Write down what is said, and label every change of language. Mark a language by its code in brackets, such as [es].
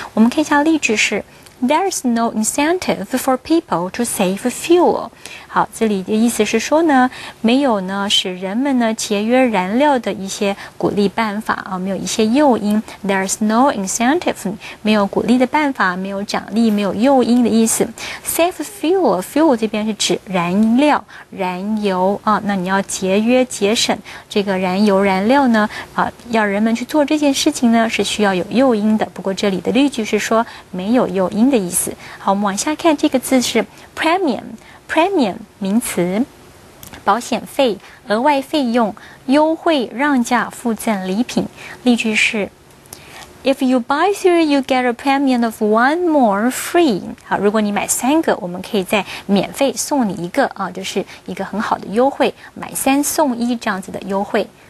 [zh] 我们看一下例句是 [en] There is no incentive for people to save fuel. [zh] 好，这里的意思是说呢，没有呢使人们呢节约燃料的一些鼓励办法啊，没有一些诱因。 [en] There is no incentive, [zh] 没有鼓励的办法，没有奖励，没有诱因的意思。 [en] Save fuel [zh] 这边是指燃料、燃油啊，那你要节约节省这个燃油燃料呢啊，要人们去做这件事情呢是需要有诱因的。不过这里的例句是说没有诱因的意思。好，我们往下看，这个字是 premium 名词，保险费、额外费用、优惠、让价、附赠礼品。例句是 [en] If you buy three, you get a premium of one more free. [zh] 好，如果你买三个，我们可以再免费送你一个啊，就是一个很好的优惠，买三送一这样子的优惠。